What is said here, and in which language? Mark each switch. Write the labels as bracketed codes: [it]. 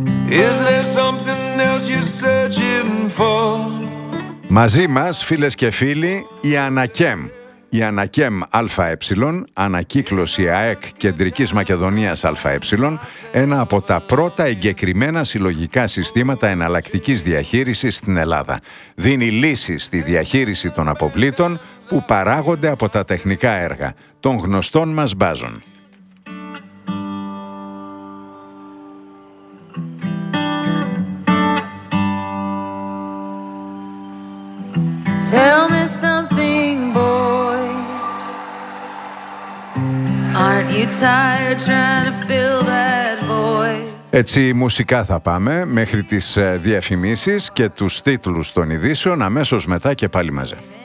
[en] Is there something else you're searching for? [el] Μαζί μας, φίλες και φίλοι, η ΑΝΑΚΕΜ. Η ΑΝΑΚΕΜ ΑΕ, ανακύκλωση ΑΕΚ Κεντρικής Μακεδονίας ΑΕ, ένα από τα πρώτα εγκεκριμένα συλλογικά συστήματα εναλλακτικής διαχείρισης στην Ελλάδα. Δίνει λύση στη διαχείριση των αποβλήτων που παράγονται από τα τεχνικά έργα των γνωστών μας μπάζων. [en] Tell me something, boy. Aren't you tired trying to fill that void? [el] Έτσι μουσικά θα πάμε μέχρι τις διαφημίσεις και τους τίτλους των ειδήσεων, αμέσως μετά και πάλι μαζί.